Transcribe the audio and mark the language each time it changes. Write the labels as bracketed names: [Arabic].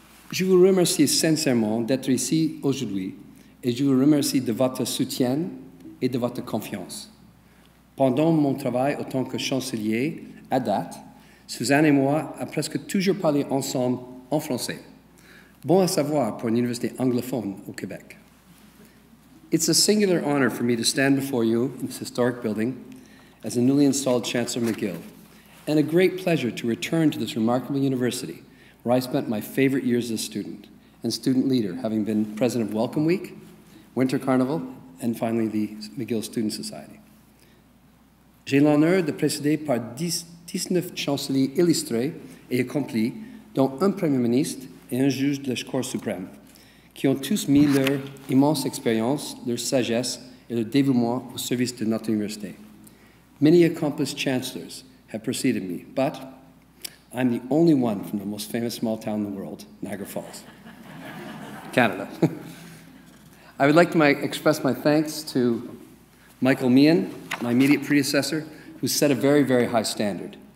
[French] Je vous remercie sincèrement d'être ici aujourd'hui, et je vous remercie de votre soutien et de votre confiance. Pendant mon travail en tant que chancelier, à date, Suzanne et moi avons presque toujours parlé ensemble en français. Bon à savoir pour une université anglophone au Québec. [English] It's a singular honor for me to stand before you in this historic building as a newly installed Chancellor McGill, and a great pleasure to return to this remarkable university where I spent my favorite years as a student and student leader, having been president of Welcome Week, Winter Carnival, and finally the McGill Student Society. [French] J'ai l'honneur de présider par 19 chanceliers illustrés et accomplis, dont un premier ministre et un juge de la Cour suprême, qui ont tous mis leur immense expérience, leur sagesse et leur dévouement au service de notre université. [English] Many accomplished chancellors have preceded me, but I'm the only one from the most famous small town in the world, Niagara Falls, Canada. I would like to express my thanks to Michael Meehan, my immediate predecessor, who set a very, very high standard.